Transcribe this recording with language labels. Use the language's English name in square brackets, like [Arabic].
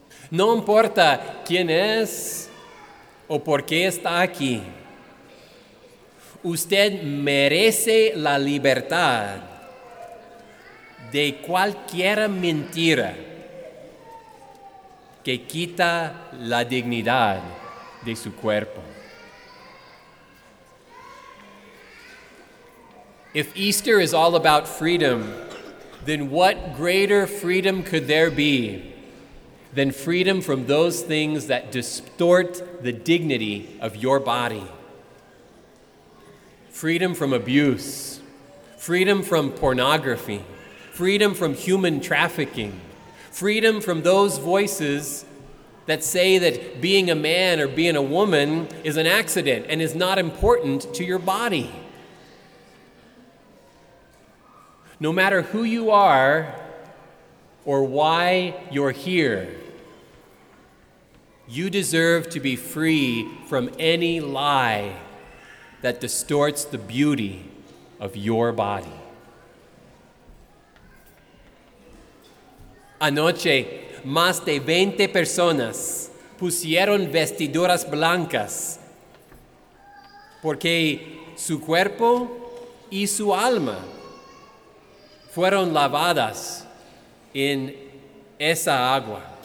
[Spanish] No importa quién es o por qué está aquí, usted merece la libertad de cualquier mentira que quita la dignidad de su cuerpo. [English] If Easter is all about freedom, then what greater freedom could there be than freedom from those things that distort the dignity of your body? Freedom from abuse, freedom from pornography, freedom from human trafficking, freedom from those voices that say that being a man or being a woman is an accident and is not important to your body. No matter who you are or why you're here, you deserve to be free from any lie that distorts the beauty of your body. [Spanish] Anoche, más de 20 personas pusieron vestiduras blancas porque su cuerpo y su alma fueron lavadas en esa agua.